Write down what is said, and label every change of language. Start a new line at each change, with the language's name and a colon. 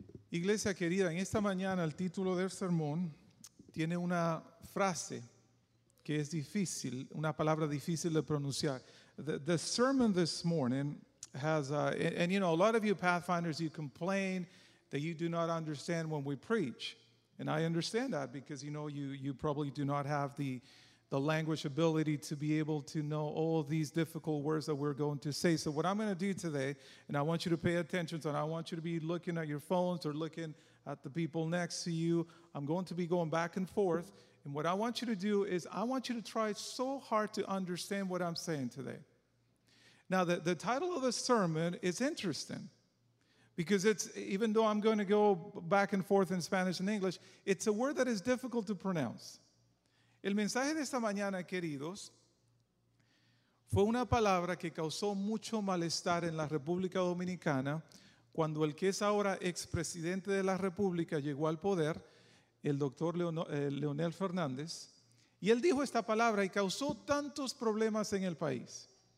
Spanish: Iglesia querida, en esta mañana el título del sermón tiene una frase que es difícil, una palabra difícil de pronunciar.
English: The sermon this morning has, and you know, a lot of you pathfinders, you complain that you do not understand when we preach. And I understand that because, you know, you probably do not have the language ability to be able to know all these difficult words that we're going to say. So what I'm going to do today, and I want you to pay attention, so I want you to be looking at your phones or looking at the people next to you. I'm going to be going back and forth. And what I want you to do is I want you to try so hard to understand what I'm saying today. Now, the title of the sermon is interesting because it's, even though I'm going to go back and forth in Spanish and English, it's a word that is difficult to pronounce.
Spanish: El mensaje de esta mañana, queridos, fue una palabra que causó mucho malestar en la República Dominicana cuando el que es ahora expresidente de la República llegó al poder, el doctor Leonel Fernández, y él dijo esta palabra y causó tantos problemas en el país.